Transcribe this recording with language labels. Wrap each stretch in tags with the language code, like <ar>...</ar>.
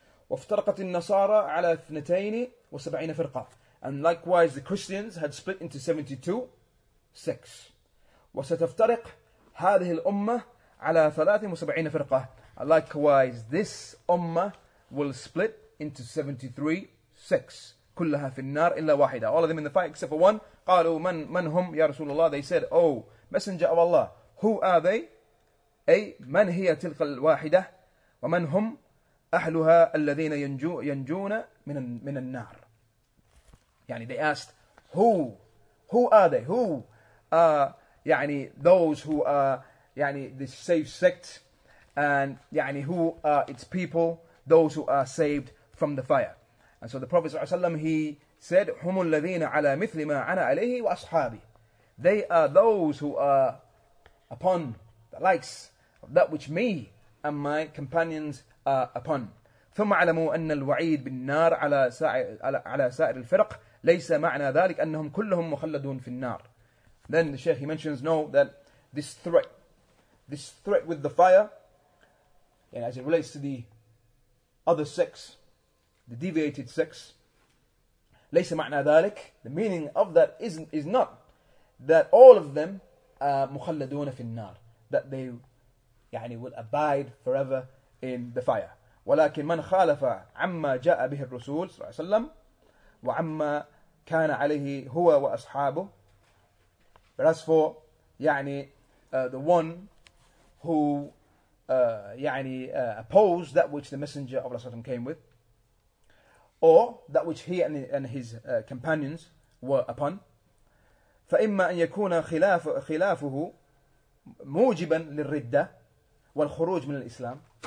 <ar>وافترقت النصارى على 72 فرقة.</ar> <en>And likewise the Christians had split into 72 sects.</en> <ar>وستفترق هذه الأمة على 73 فرقة.</ar> <en>Likewise this ummah will split into 73 sects.</en> <ar>كلها في النار إلا واحدة.</ar> <en>All of them in the fire except for one.</en> <ar>قالوا من هم يا رسول الله?</ar> <en>They said, oh, messenger of Allah. Who are they?</en> <ar>أي من هي تلك الواحدة? ومن هم أهلها الذين ينجون من النار? يعني</ar> <en>they asked, who are they? Who are يعني those who are يعني this safe sect? And</en> <ar>يعني</ar> <en>who are its people? Those who are saved from the fire. And so the Prophet ﷺ, he said,</en> <ar>"Humul ladina ala mithli ma ana alayhi wa ashabi."</ar> <en>They are those who are upon the likes of that which me and my companions are upon.</en> <ar>ثم علموا أن الوعيد بالنار على سائر الفرق ليس معنى ذلك أنهم كلهم مخلدون في النار.</ar> <en>Then the Sheikh he mentions, "No, that this threat with the fire, and as it relates to the other sects." The deviated sex.</en> <ar>ليس معنى ذلك.</ar> <en>The meaning of that is not that all of them are</en> <ar>مخلدون في النار.</ar> <en>That they</en> <ar>يعني</ar> <en>will abide forever in the fire.</en> <ar>ولكن من خالف عما جاء به الرسول صلى الله عليه وسلم وعما كان عليه هو وأصحابه.</ar> <en>But as for</en> <ar>يعني</ar> <en>the one who يعني opposed that which the messenger of Allah came with. Or that which he and his companions were upon.</en> <ar>فَإِمَّا أَن يَكُونَ خِلَافُهُ مُوجِبًا لِلْرِدَّةِ وَالْخُرُوجِ مِنَ الْإِسْلَامِ.</ar>